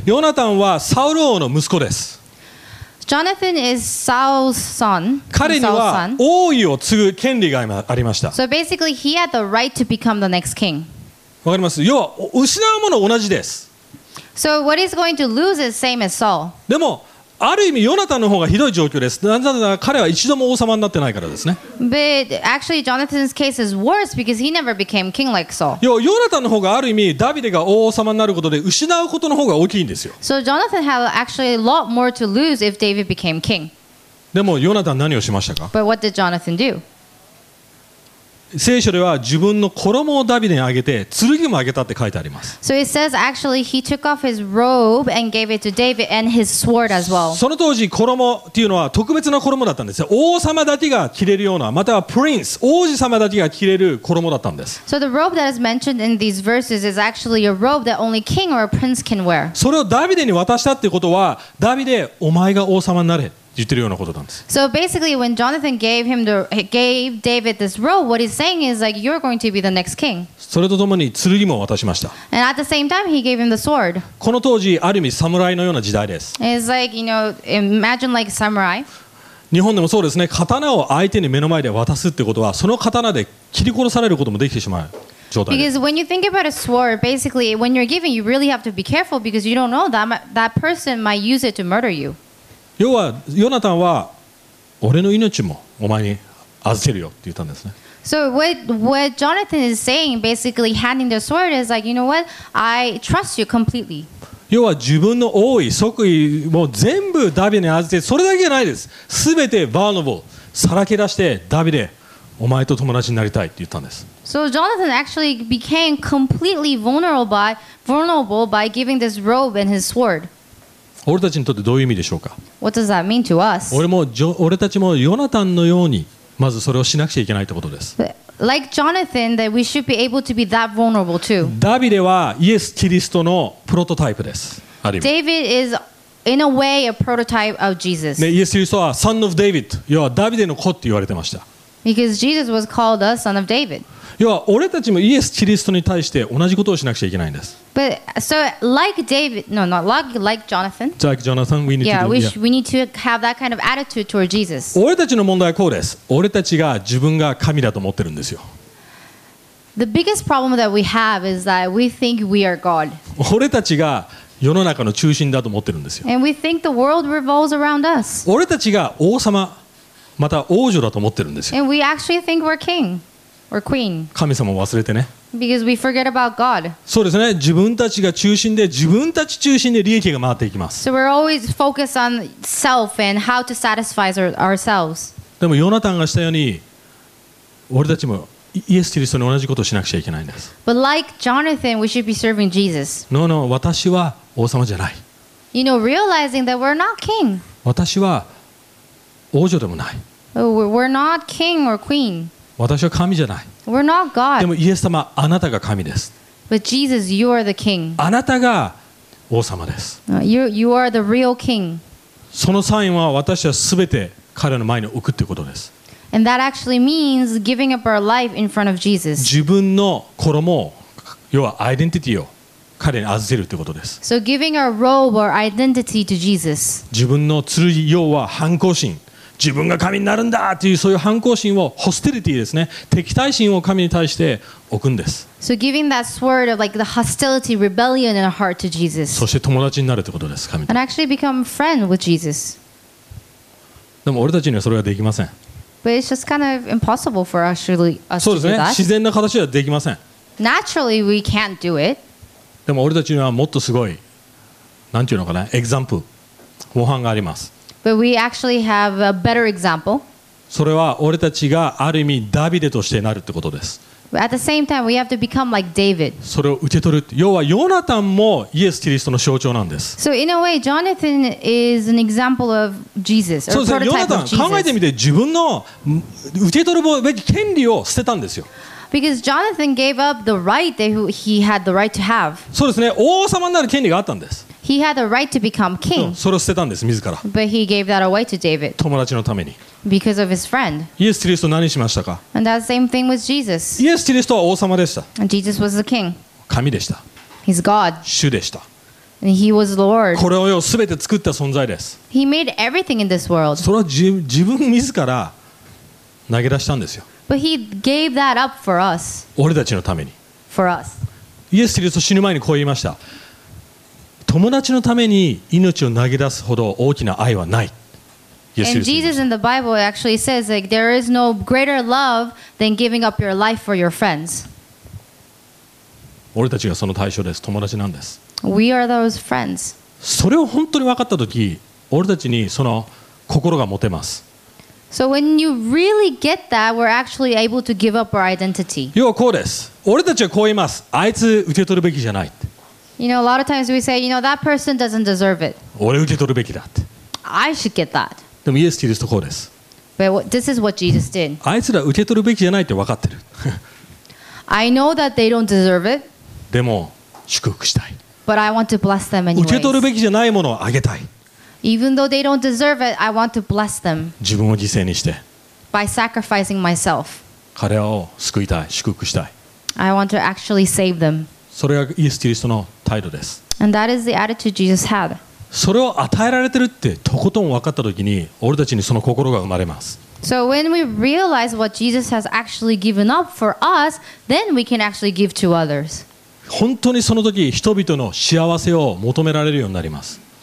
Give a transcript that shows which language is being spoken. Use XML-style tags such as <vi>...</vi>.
<ja>ヨナタンはサウル王の息子です。</ja> <en>Jonathan is Saul's son.</en> <ja>彼には王位を継ぐ権利がありました。</ja> <en>So basically, he had the right to become the next king.</en> <ja>わかります。要は失うもの同じです。</ja> <en>So what he's going to lose is same as Saul.</en> <ja>でもある意味ヨナタンの方がひどい状況です。なぜなら彼は一度も王様になってないからですね。</ja> <en>But actually, Jonathan's case is worse because he never became king like Saul.</en> <ja>要はヨナタンの方がある意味ダビデが王様になることで失うことの方が大きいんですよ。</ja> <en>So Jonathan had actually a lot more to lose if David became king.</en> <ja>でもヨナタン何をしましたか？</ja> <en>But what did Jonathan do?</en> <ja>聖書では自分の衣をダビデにあげて剣もあげたって書いてあります。</ja> <en>So it says actually he took off his robe and gave it to David and his sword as well.</en> <ja>その当時衣っていうのは特別な衣だったんですよ。王様だけが着れるような、またはプリンス、王子様だけが着れる衣だったんです。</ja> <en>So the robe that is mentioned in these verses is actually a robe that only king or a prince can wear.</en> <ja>それをダビデに渡したってことは、ダビデお前が王様になれ言ってるようなことなんです。</ja> <en>So basically when Jonathan gave David this robe, what he's saying is like you're going to be the next king.</en> <ja>それとともに剣も渡しました。</ja> <en>And at the same time he gave him the sword.</en> <ja>この当時ある意味侍のような時代です。</ja> <en>It's like, you know, imagine like samurai.</en> <ja>日本でもそうですね。刀を相手に目の前で渡すってことは、その刀で切り殺されることもできてしまう。</ja> <en>Because when you think about a sword, basically when you're giving, you really have to be careful because you don't know that person might use it to murder you.</en> <ja>要はヨナタンは俺の命もお前に預けるよって言ったんですね。</ja> <en>So what Jonathan is saying, basically handing the sword, is like, you know what? I trust you completely.</en> <ja>要は自分の王位、即位も全部ダビデに預け、それだけじゃないです。すべてバーノボル、さらけ出してダビデ、お前と友達になりたいって言ったんです。</ja> <en>So Jonathan actually became completely vulnerable by giving this robe and his sword.</en> <ja>俺たちにとってどういう意味でしょうか?</ja> <en>What does that mean to us?</en> <ja>俺たちもヨナタンのようにまずそれをしなくちゃいけないということです。</ja> <en>Like Jonathan, that we should be able to be that vulnerable too.</en> <ja>ダビデはイエス・キリストのプロトタイプです。</ja> <en>David is in a way a prototype of Jesus.</en> <ja>ね、イエス・キリストは</ja> <en>Son of David、</en> <ja>要はダビデの子って言われてました。</ja> <en>Because Jesus was called the Son of David.</en> <ja>要は俺たちもイエス・キリストに対して同じことをしなくちゃいけないんです。</ja> <en>But so like David, no, not like Jonathan. Like Jonathan, we need we need to have that kind of attitude toward Jesus.</en> <ja>俺たちの問題はこうです。俺たちが自分が神だと思ってるんですよ。</ja> <en>The biggest problem that we have is that we think we are God.</en> <ja>俺たちが世の中の中心だと思ってるんですよ。</ja> <en>And we think the world revolves around us.</en> <ja>俺たちが王様、また王女だと思ってるんですよ。</ja> <en>And we actually think we're king or queen.</en> <ja>神様を忘れてね。</ja> <en>Because we forget about God.</en> <ja>そうですね。自分たちが中心で、自分たち中心で利益が回っていきます。</ja> <en>So we're always focused on self and how to satisfy ourselves.</en> <ja>でもヨナタンがしたように、俺たちもイエス・キリストに同じことをしなくちゃいけないんです。</ja> <en>But like Jonathan, we should be serving Jesus. No, no,</en> <ja>私は王様じゃない。</ja> <en>You know, realizing that we're not king.</en> <ja>私は王女でもない。</ja> <en>We're not king or queen.</en> <ja>私は神じゃない。</ja> <en>We're not God.</en> <ja>でもイエス様、あなたが神です。</ja> <en>But Jesus, you are the king.</en> <ja>あなたが王様です。</ja> <en>You are the real king.</en> <ja>そのサインは私はすべて彼の前に置くということです。</ja> <en>And that actually means giving up our life in front of Jesus.</en> <ja>自分の衣を、要はアイデンティティを彼に預けるということです。</ja> <en>So giving our robe or identity to Jesus.</en> <ja>自分の剣、要は反抗心。自分が神になるんだというそういう反抗心をホスティリティですね敵対心を神に対して置くんです。</ja> <en>So giving that sword of like the hostility, rebellion in our heart to Jesus.</en> <ja>そして友達になるということです。神と。</ja> <en>And actually become friend with Jesus.</en> <ja>でも俺たちにはそれはできません。</ja> <en>But it's just kind of impossible for us to do that.</en> <ja>そうですね。自然な形ではできません。</ja> <en>Naturally we can't do it.</en> <ja>でも俺たちにはもっとすごい、なんていうのかな、example、模範があります。</ja> <en>But we actually have a better example.</en> <ja>それは俺たちがある意味ダビデとしてなるってことです。</ja> <en>But at the same time, we have to become like David.</en> <ja>それを受け取る。要はヨナタンもイエス・キリストの象徴なんです。</ja> <en>So in a way, Jonathan is an example of Jesus.</en> <ja>そうですね。ヨナタン、考えてみて、自分の受け取るべき権利を捨てたんですよ。</ja> <en>Because Jonathan gave up the right that he had the right to have.</en> <ja>そうですね。王様になる権利があったんです。</ja> <en>He had a right to become king.</en> <ja>それを捨てたんです、自ら。</ja> <en>But he gave that away to David.</en> <ja>友達のために。</ja> <en>Because of his friend.</en> <ja>イエス・キリスト何しましたか?</ja> <en>And that same thing with Jesus.</en> <ja>イエス・キリストは王様でした。</ja> <en>And Jesus was the king.</en> <ja>神でした。</ja> <en>He's God.</en> <ja>主でした。</ja> <en>And he was Lord.</en> <ja>これを全て作った存在です。</ja> <en>He made everything in this world.</en> <ja>それを自分自ら投げ出したんですよ。</ja> <en>But he gave that up for us.</en> <ja>俺たちのために。</ja> <en>For us.</en> <ja>イエス・キリスト死ぬ前にこう言いました。友達のために命を投げ出すほど大きな愛はない。</ja> <en>And Jesus in the Bible actually says like there is no greater love than giving up your life for your friends.</en> <ja>俺たちがその対象です。友達なんです。</ja> <en>We are those friends.</en> <ja>それを本当に分かったとき、俺たちにその心が持てます。</ja> <en>So when you really get that, we're actually able to give up our identity.</en> <ja>要はこうです。俺たちはこう言います。あいつ受け取るべきじゃない。</ja> <en>You know, a lot of times we say, you know, that person doesn't deserve it.</en> <ja>俺受け取るべきだって。</ja> <en>I should get that.</en> <ja>でもイエス・キリストこうです。</ja> <en>But this is what Jesus did.</en> <ja>あいつら受け取るべきじゃないって分かってる。</ja> <en>I know that they don't deserve it.</en> <ja>でも祝福したい。</ja> <en>But I want to bless them anyway.</en> <ja>受け取るべきじゃないものをあげたい。</ja> <en>Even though they don't deserve it, I want to bless them.</en> <ja>自分を犠牲にして。</ja> <en>By sacrificing myself.</en> <ja>彼を救いたい、祝福したい。</ja> <en>I want to actually save them.</en> <ja>それがイエス・キリストの態度です。</ja> <en>And that is the attitude Jesus had.</en> <ja>それを与えられてるってとことん分かったときに、俺たちにその心が生まれます。</ja> <en>So when we realize what Jesus has actually given up for us, then we can actually give to others.</en> <ja>本当にその時、人々の幸せを求められるようになります。</ja>